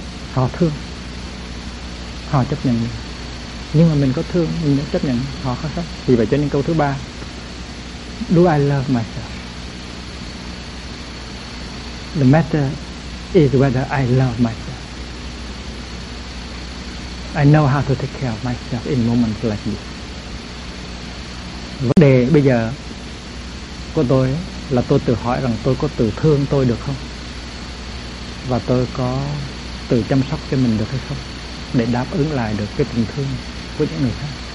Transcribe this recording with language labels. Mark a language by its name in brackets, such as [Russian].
[Vietnamese] Họ thương, họ chấp nhận mình. Nhưng mà mình có thương, mình đã chấp nhận họ không sao. Vì vậy cho nên câu thứ ba: [English] do I love myself? The matter is whether I love myself. I know how to take care of myself in moments like this. [Vietnamese] Vấn đề bây giờ của tôi là tôi tự hỏi rằng tôi có tự thương tôi được không? Và tôi có tự chăm sóc cho mình được hay không? Để đáp ứng lại được cái tình thương với những người khác.